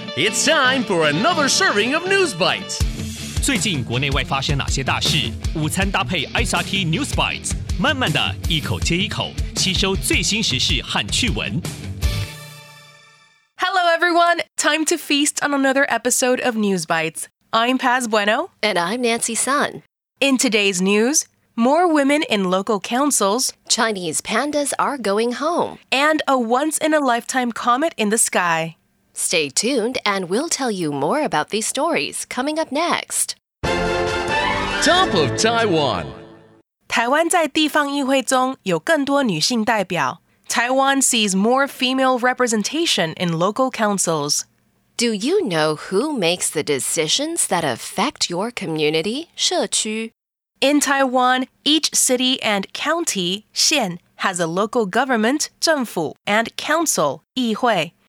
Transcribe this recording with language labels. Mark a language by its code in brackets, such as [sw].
[en] It's time for another serving of News Bites. [zh] 最近国内外发生哪些大事？午餐搭配 SRT News Bites， 慢慢的一口接一口，吸收最新时事和趣闻。 [en] Hello everyone, time to feast on another episode of News Bites. I'm Paz Bueno. And I'm Nancy Sun. In today's news... More women in local councils. Chinese pandas are going home. And a once-in-a-lifetime comet in the sky. Stay tuned, and we'll tell you more about these stories coming up next. Top of Taiwan. [zh] 台湾在地方议会中有更多女性代表。 [en] Taiwan sees more female representation in local councils. Do you know who makes the decisions that affect your community? [zh] 社区 [en] In Taiwan, each city and county, 县, has a local government, 政府, and council, 议会.